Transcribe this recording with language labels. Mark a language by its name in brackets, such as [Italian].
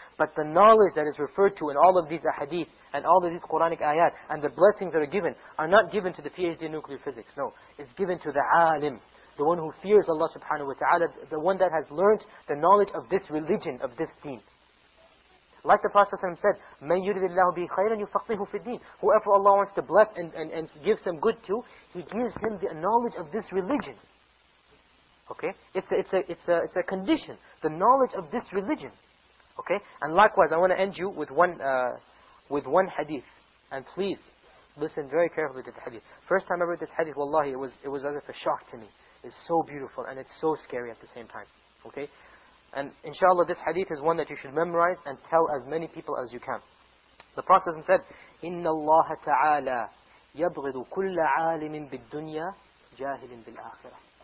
[English] But the knowledge that is referred to in all of these ahadith and all of these Quranic ayat and the blessings that are given are not given to the PhD in nuclear physics. No. It's given to the alim. The one who fears Allah subhanahu wa ta'ala. The one that has learned the knowledge of this religion, of this deen. Like the Prophet said, [Arabic] مَنْ يُرِذِ اللَّهُ بِهِ خَيْرًا يُفَقِّهُ فِي الدِّينِ. [English] Whoever Allah wants to bless and give some good to, He gives him the knowledge of this religion. Okay? It's a condition. The knowledge of this religion. Okay? And likewise, I want to end you with one hadith. And please, listen very carefully to the hadith. First time I read this hadith, wallahi, it was as if a shock to me. It's so beautiful and it's so scary at the same time. Okay? And inshallah, this hadith is one that you should memorize and tell as many people as you can. The Prophet said, [Arabic] إِنَّ اللَّهَ تَعَالَى يَبْغِضُ كُلَّ عَالِمٍ بِالدُّنْيَا جَاهِلٍ بِالْآخِرَةِ.